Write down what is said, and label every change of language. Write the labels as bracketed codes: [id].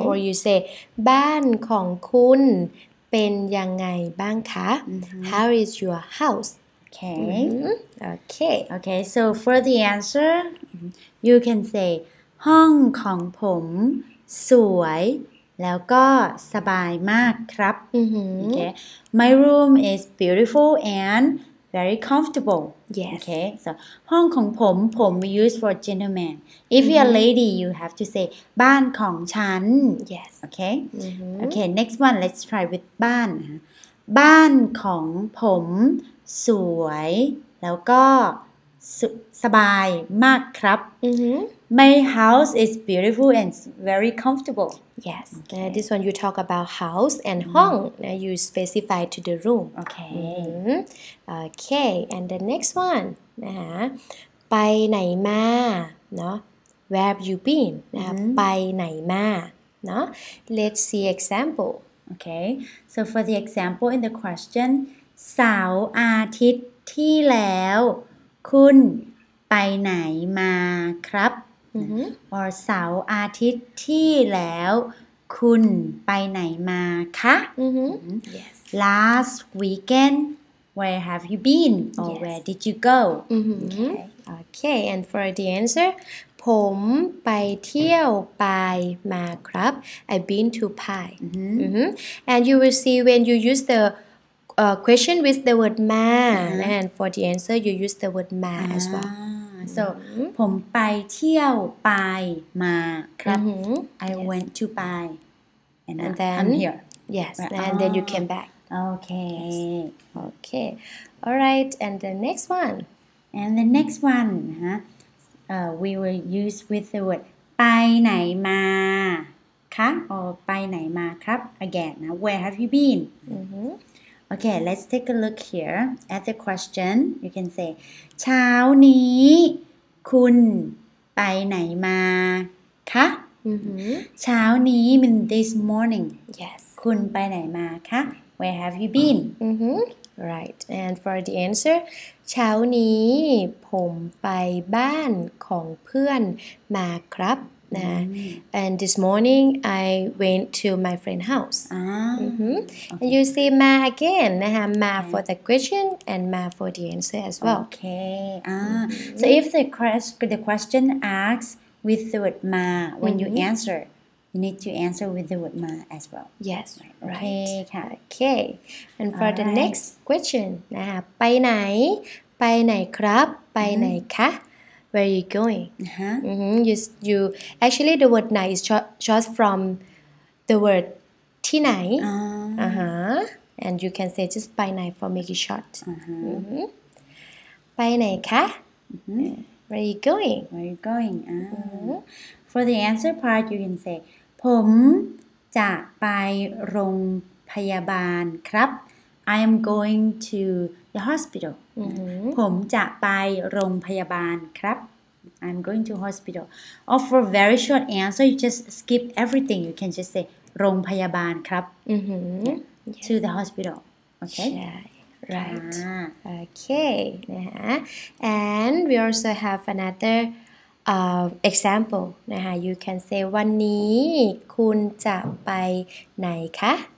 [en] Or you say, [th] บ้านของคุณเป็นยังไงบ้างคะ? Mm-hmm. [en] How is your house? Okay. Mm-hmm. Okay. Okay. So for the answer, you can say, [th] ห้องของผมสวยแล้วก็สบายมากครับ. Mm-hmm. [en] Okay. My room is beautiful and very comfortable. Yes. Okay. [th] So, ห้องของผมผมไม่ [en] use for gentleman. If mm-hmm. you're a lady, you have to say, [th] บ้านของฉัน. [en] Yes. Okay. Mm-hmm. Okay. Next one, let's try with บ้าน. [th] บ้านของผมสวยแล้วก็สบายมากครับ mm-hmm. [en] My house is beautiful and very comfortable. Yes. Okay. This one you talk about house and hong. Mm-hmm. You specify to the room. Okay. Mm-hmm. Okay. And the next one. [th] ไปไหนมา [en] Where have you been? Mm-hmm. [th] ไปไหนมา [en] Let's see example. Okay. So for the example in the question, [th] เสาร์อาทิตย์ที่แล้วคุณไปไหนมาครับ mm-hmm. or เสาร์อาทิตย์ที่แล้วคุณไปไหนมาคะ mm-hmm. [en] Yes. Last weekend where have you been or yes. where did you go mm-hmm. okay. okay and for the answer [th] ผมไปเที่ยวไปมาครับ [en] I've been to Pai mm-hmm. mm-hmm. and you will see when you use theQuestion with the word มา mm-hmm. and for the answer you use the word มา mm-hmm. as well [th] so mm-hmm. ผมไปเที่ยวไปมาครับ mm-hmm. [en] I yes. went to Pai and then I'm here yes right. and oh. then you came back okay yes. okay all right and the next one and the next one we will use with the word [th] ไปไหนมาคะ [en] or [th] ไปไหนมาครับ [en] again now where have you been mm-hmm. Okay, let's take a look here at the question. [th] You can say, เช้านี้คุณไปไหนมาคะ? Mm-hmm. เช้านี้ [en] means this morning. Yes. [th] คุณไปไหนมาคะ? [en] Where have you been? Mm-hmm. Right. And for the answer, [th] เช้านี้ผมไปบ้านของเพื่อนมาครับ Mm-hmm. [en] And this morning, I went to my friend's house. Ah, mm-hmm. okay. And you see ma again. Ma okay. for the question and ma for the answer as well. Okay. Mm-hmm. So if the question asks with the word ma, when mm-hmm. you answer, you need to answer with the word ma as well. Yes. Right. Okay. okay. And for All the right. next question, [th] ไปไหน? ไปไหนครับ? ไปไหนคะ? [en] Where are you going? Uh-huh. Mm-hmm. You actually the word "ไหน" is just from the word "ที่ไหน." Uh-huh. And you can say just "ไปไหน" for make it short. Uh-huh. [th] ไปไหนคะ? [en] Where are you going? Where are you going? Mm-hmm. For the answer part, you can say [th] ผมจะไปโรงพยาบาลครับ [en] I am going to the hospital. Mm-hmm. [th] ผมจะไปโรงพยาบาลครับ [en] I'm going to hospital. Or for a very short answer, you just skip everything. You can just say [th] โรงพยาบาลครับ mm-hmm. [en] yeah. yes. to the hospital. Okay. Yeah. Right. Okay. Yeah. And we also have another example. Yeah. You can say [th] วันนี้คุณจะไปไหนคะ